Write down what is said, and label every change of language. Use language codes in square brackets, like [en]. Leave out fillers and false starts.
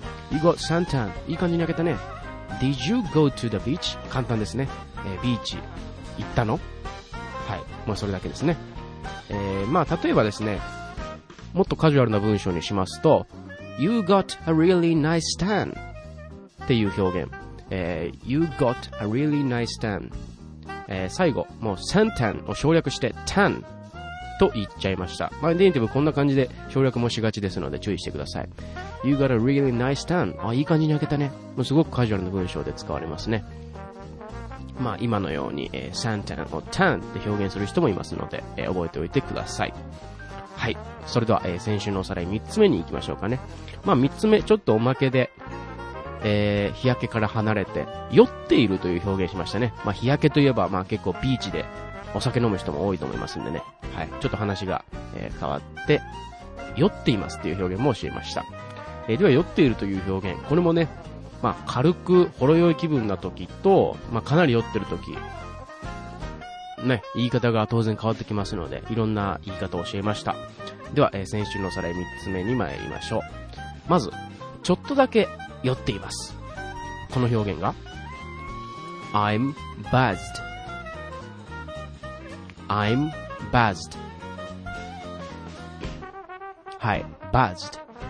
[en] You got suntanned. [ja] いい感じに焼けたね。 [en] Did you go to the beach? [ja] 簡単ですね。ビーチ行ったの。はい、まあ、それだけですね。まあ、例えばですね、もっとカジュアルな文章にしますと、 [en] You got a really nice tan [ja] っていう表現。 [en] You got a really nice tan。 [ja] 最後、もう suntan を省略して tan と言っちゃいました。まあ、ネイティブこんな感じで省略もしがちですので注意してください。 [en] You got a really nice tan。 [ja] あ、いい感じに開けたね。もうすごくカジュアルな文章で使われますね。まあ、今のように、suntan を tan って表現する人もいますので、覚えておいてください。はい、それでは、先週のおさらい3つ目に行きましょうかね。まあ、3つ目ちょっとおまけで、日焼けから離れて酔っているという表現しましたね。まあ、日焼けといえば、まあ、結構ビーチでお酒飲む人も多いと思いますんでね。はい、ちょっと話が、変わって酔っていますという表現も教えました。では酔っているという表現、これもね、まあ、軽くほろ酔い気分な時と、まあ、かなり酔ってる時ね、言い方が当然変わってきますので、いろんな言い方を教えました。では、先週のおさらい3つ目に参りましょう。まずちょっとだけ酔っています。この表現が [en] I'm buzzed I'm buzzed。 [ja] はい、 [en] buzzed